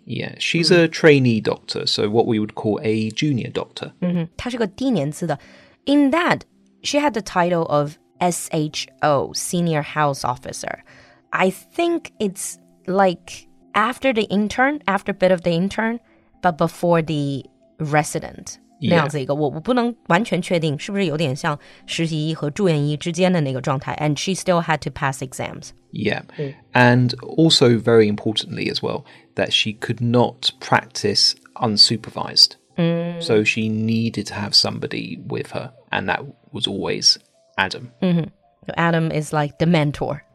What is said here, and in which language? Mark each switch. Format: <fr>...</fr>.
<en>Yeah, she's a trainee doctor, so what we would call a junior doctor.</en> <zh>她是个低年资的。</zh> <en>In that, she had the title of SHO, Senior House Officer. I think it's... Like, after the intern, after a bit of the intern, but before the resident. Yeah.</en> <zh>那样子一个，我不能完全确定是不是有点像实习医和住院医之间的那个状态。</zh> <en>And she still had to pass exams. Yeah. And also, very importantly as well, that she could not practice unsupervised. So she needed to have somebody with her. And that was always Adam. Adam is like the mentor.</en>